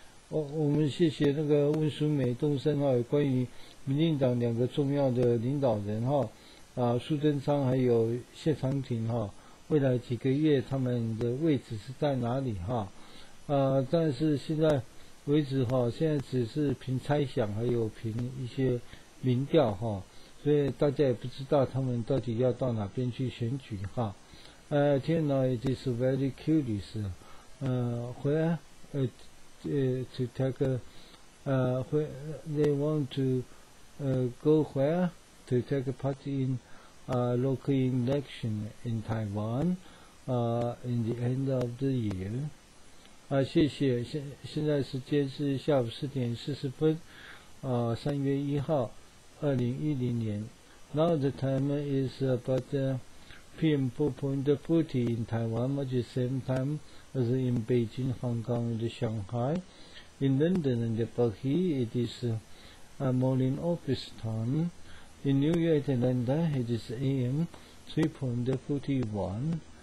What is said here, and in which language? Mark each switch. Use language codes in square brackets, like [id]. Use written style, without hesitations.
[zh] 我们谢谢那个温淑美东升哈，关于民进党两个重要的领导人哈，苏贞昌还有谢长廷哈，未来几个月他们的位置是在哪里哈？但是现在为止哈，现在只是凭猜想，还有凭一些民调哈，所以大家也不知道他们到底要到哪边去选举哈。天哪 [en] ，it is very curious. To take a, they want to, go where to take a part in, local election in Taiwan, in the end of the year. [zh] 谢谢。现在时间是下午4:40，3月1号，2010年。 [en] Now the time is about PM4.40 in Taiwan, much the same time as in Beijing, Hong Kong, and Shanghai. In London and Paris, it is morning office time. In New York and London, it is AM 3:41.